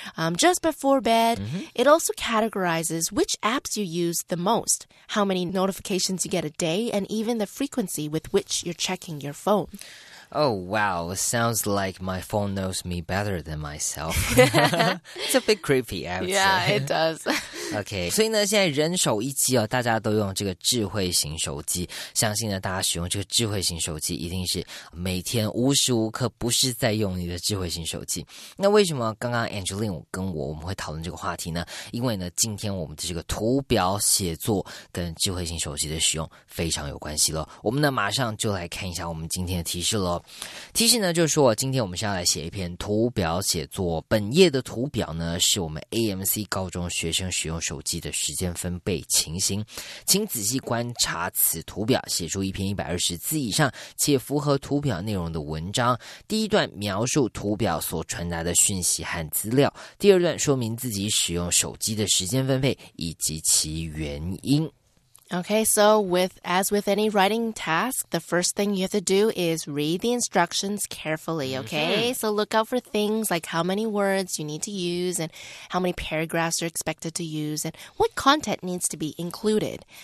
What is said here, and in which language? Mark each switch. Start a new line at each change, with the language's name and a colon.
English: or just before bed? Mm-hmm. It also categorizes which apps you use the most, how many notifications you get a day, and even the frequency with which you're checking your phone. Oh, wow. It sounds like my phone knows me better than myself. It's a bit creepy, actually. Yeah, it does. Okay.
Chinese: 所以呢，现在人手一机哦，大家都用这个智慧型手机。相信呢，大家使用这个智慧型手机一定是每天无时无刻不是在用你的智慧型手机。那为什么刚刚 Angeline 跟我们会讨论这个话题呢？因为呢，今天我们的这个图表写作跟智慧型手机的使用非常有关系了。我们呢，马上就来看一下我们今天的提示了。提示呢，就是说今天我们是要来写一篇图表写作，本页的图表呢是我们 AMC 高中学生使用手机的时间分配情形，请仔细观察此图表，写出一篇120字以上且符合图表内容的文章。第一段描述图表所传达的讯息和资料，第二段说明自己使用手机的时间分配以及其原因。
English: Okay, so as with any writing task, the first thing you have to do is read the instructions carefully, okay? So look out for things like how many words you need to use and how many paragraphs you're expected to use and what content needs to be included.